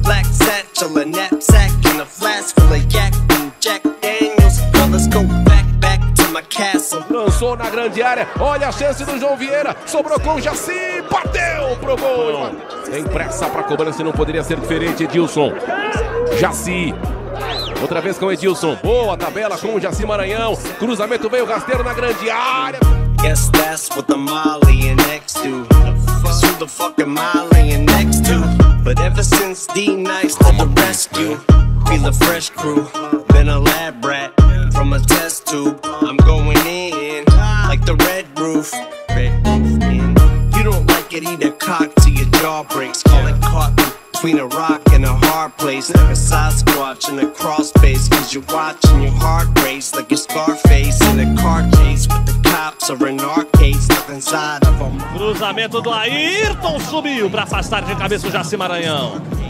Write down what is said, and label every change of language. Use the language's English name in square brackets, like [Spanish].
[English] satchel, a knapsack, and a flask full of yak and Jack Daniels. Now let's go back, back to my castle. [Portuguese] Lançou na grande área, olha a chance do João Vieira, sobrou com o Jacy, bateu pro gol. Tem pressa pra cobrança, não poderia ser diferente, Edilson. Jacy. Outra vez com o Edilson. Boa tabela com o Jacy Maranhão. Cruzamento veio rasteiro na grande área. [English] Guess that's what the Molly and X do. That's who the fuck am I laying next to. But ever since D-Nice to the rescue, feel a fresh crew. Been a lab rat from a test tube. I'm going in like the red roof. Red roof in. You don't like it, eat a cock till your jaw breaks. Call it cartoon. Between a rock and a hard place, like a Sasquatch in a crawl space, cause you're watching your heart race, like a Scarface in a car chase, with the cops or an arcade, stuck inside of a... [Portuguese] Cruzamento do Ayrton subiu pra afastar de cabeça o Jacy Maranhão.